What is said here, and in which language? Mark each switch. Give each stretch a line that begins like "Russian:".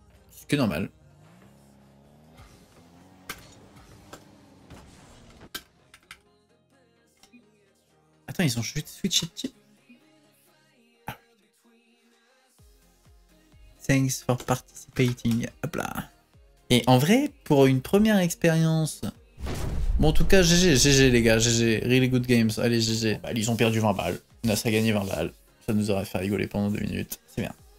French: Ce qui est normal. Attends, ils ont juste switché de chip.
English: Thanks for participating.
French: Hop là. Et en vrai, pour une première expérience... Bon, en tout cas, GG les gars, GG,
English: really good games,
French: allez GG. Bah, ils ont perdu 20 balles, Nas a gagné 20 balles, ça nous aurait fait rigoler pendant 2 minutes, c'est bien.